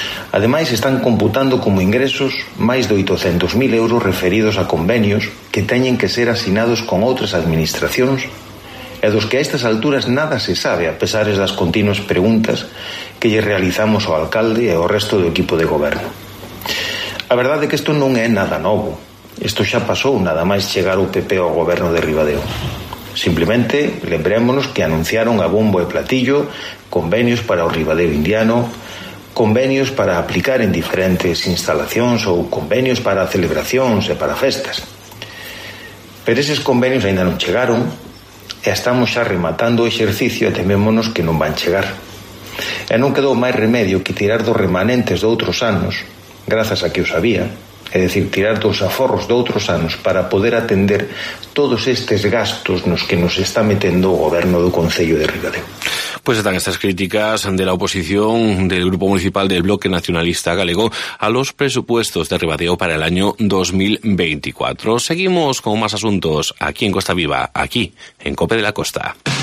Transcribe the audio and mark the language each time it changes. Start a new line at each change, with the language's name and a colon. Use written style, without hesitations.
Galician: Ademais, están computando como ingresos máis de 800.000 euros referidos a convenios que teñen que ser asinados con outras administracións e dos que a estas alturas nada se sabe, a pesar das continuas preguntas que lle realizamos ao alcalde e ao resto do equipo de goberno. A verdade é que isto non é nada novo. Isto xa pasou nada máis chegar o PP ao goberno de Ribadeo. Simplemente lembrémonos que anunciaron a bombo e platillo convenios para o Ribadeo Indiano, convenios para aplicar en diferentes instalacións ou convenios para celebracións e para festas. Pero eses convenios aínda non chegaron e estamos xa rematando o exercicio e temémonos que non van chegar. E non quedou máis remedio que tirar dos remanentes de outros anos, grazas a que o sabía, é dicir, tirar dos aforros de outros anos para poder atender todos estes gastos nos que nos está metendo o goberno do Concello de Ribadeo.
Spanish: Pues están estas críticas de la oposición del Grupo Municipal del Bloque Nacionalista Galego a los presupuestos de Ribadeo para el año 2024. Seguimos con más asuntos aquí en Costa Viva, aquí en Cope de la Costa.